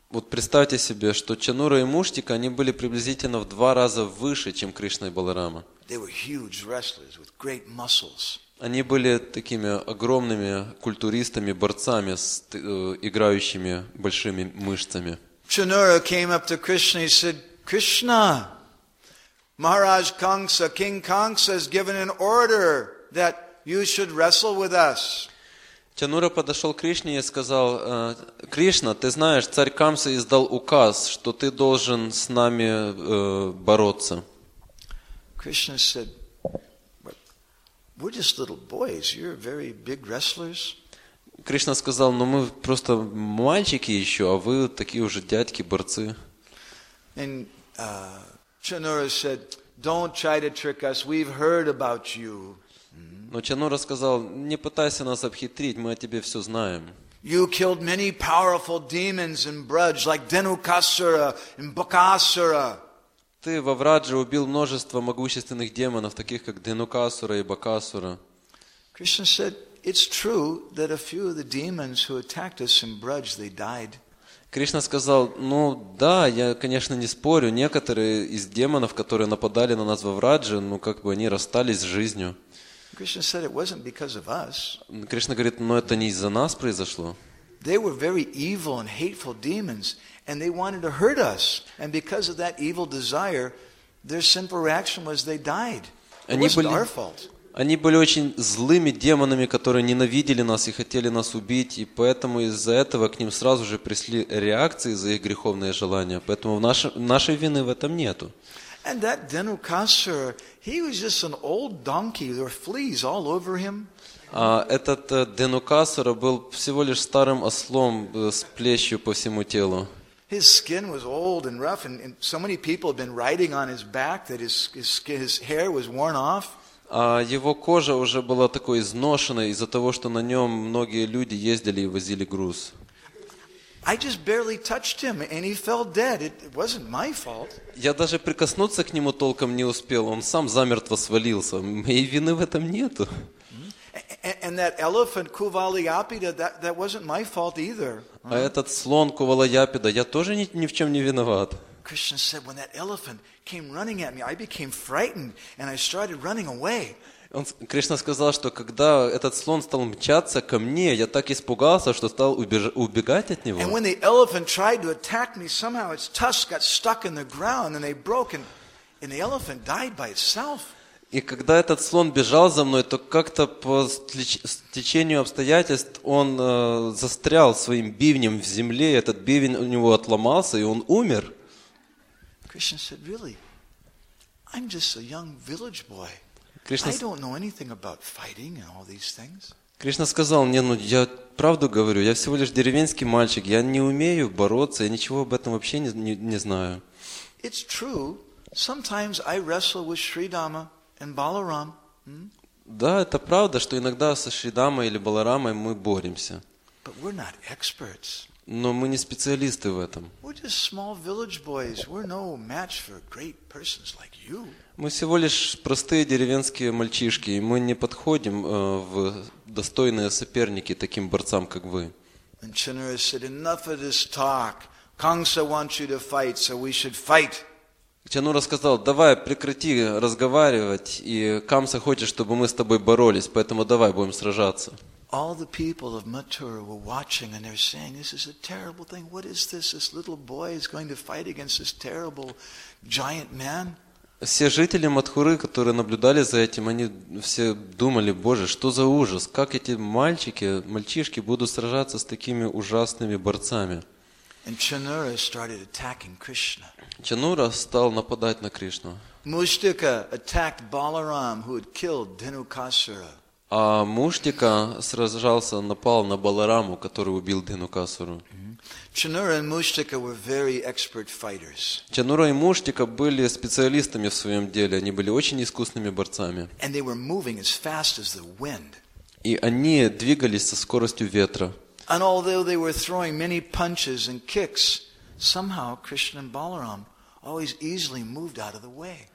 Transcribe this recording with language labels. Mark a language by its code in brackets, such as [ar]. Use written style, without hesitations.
[ru] Вот представьте себе, что Чанура и Муштика, они были приблизительно в два раза выше, чем Кришна и Баларама. [en] They were huge wrestlers with great muscles. [ru] Они были такими огромными культуристами, борцами, играющими большими мышцами. [en] Chanura came up to Krishna and said, "Krishna, Maharaj Kamsa, King Kamsa has given an order that you should wrestle with us." [ru] Чанура подошел к Кришне и сказал: Кришна, ты знаешь, царь Камса издал указ, что ты должен с нами бороться. [en] Krishna said, "We're just little boys. You're very big wrestlers." [ru] Кришна сказал: мы просто мальчики еще, а вы такие уже дядьки борцы. [en] And Chanura said, "Don't try to trick us. We've heard about you." [ru] Но Чану рассказал: не пытайся нас обхитрить, мы о тебе все знаем. [en] You killed many powerful demons in Braj, like Dhenukasura and Bakasura. [ru] Ты во Врадже убил множество могущественных демонов, таких как Дхенукасура и Бакасура. [en] Krishna said, it's true that a few of the demons who attacked us in Braj, they died. [ru] Кришна сказал: ну да, я, конечно, не спорю, некоторые из демонов, которые нападали на нас во Врадже, ну как бы они расстались с жизнью. [en] Krishna said it wasn't because of us. [ru] Кришна говорит: но это не из-за нас произошло. [en] They were very evil and hateful demons, and they wanted to hurt us. And because of that evil desire, their simple reaction was they died. It wasn't our fault. [ru] Они были очень злыми демонами, которые ненавидели нас и хотели нас убить, и поэтому из-за этого к ним сразу же пришли реакции за их греховные желания. Поэтому нашей вины в этом нету. [en] And that Dhenukasura, he was just an old donkey. There were fleas all over him. [ru] А этот Дхенукасура был всего лишь старым ослом с плещью по всему телу. [en] His skin was old and rough, and so many people had been riding on his back that his hair was worn off. [ru] А его кожа уже была такой изношенной из-за того, что на нем многие люди ездили и возили груз. [en] I just barely touched him and he fell dead. It wasn't my fault. [ru] Я даже прикоснуться к нему толком не успел. Он сам замертво свалился. Моей вины в этом нету. [en] And that elephant Kuvalayapida, that wasn't my fault either. [ru] А этот слон Кувалаяпида, я тоже ни в чем не виноват. [en] Krishna said when that elephant came running at me, I became frightened and I started running away. [ru] Кришна сказал, что когда этот слон стал мчаться ко мне, я так испугался, что стал убегать от него. [en] And when the elephant tried to attack me, somehow its tusks got stuck in the ground and they broke, and the elephant died by itself. [ru] И когда этот слон бежал за мной, то как-то по течению обстоятельств он застрял своим бивнем в земле, и этот бивень у него отломался, и он умер. [en] Krishna said, really? I'm just a young village boy. Krishna, I don't know anything about fighting and all these things. [ru] Krishna сказал мне: ну я правду говорю, я всего лишь деревенский мальчик, я не умею бороться, я ничего об этом вообще не знаю. [en] It's true. Sometimes I wrestle with Sri Dama and Balaram. [ru] Да, это правда, что иногда со Шри Дамой или Баларамой мы боремся. [en] But we're not experts. [ru] Но мы не специалисты в этом. [en] We're just small village boys. We're no match for great persons like you. [ru] Мы всего лишь простые деревенские мальчишки, и мы не подходим в достойные соперники таким борцам, как вы. [en] And Chinnara said, enough of this talk. Kangsa wants you to fight, so we should fight. [ru] Чанура сказал: давай, прекрати разговаривать, и Камса хочет, чтобы мы с тобой боролись, поэтому давай, будем сражаться. [en] All the people of Mathura were watching and they're saying, this is a terrible thing. What is this? This little boy is going to fight against this terrible giant man. [ru] Все жители Матхуры, которые наблюдали за этим, они все думали: боже, что за ужас? Как эти мальчишки будут сражаться с такими ужасными борцами? [en] And Chanura started attacking Krishna. [ru] Чанура стал нападать на Кришну. [en] Муштика attacked Balaram, who had killed Dhenukasura. [ru] А Муштика сражался, напал на Балараму, который убил Дхенукасуру. [en] Chanura and Muştika were very expert fighters. [ru] Chanura и Muştika были специалистами в своем деле. Они были очень искусными борцами. [en] And they were moving as fast as the wind. [ru] И они двигались со скоростью ветра. [en] And although they were throwing many punches and kicks, somehow Krishna and Balaram always easily moved out of the way.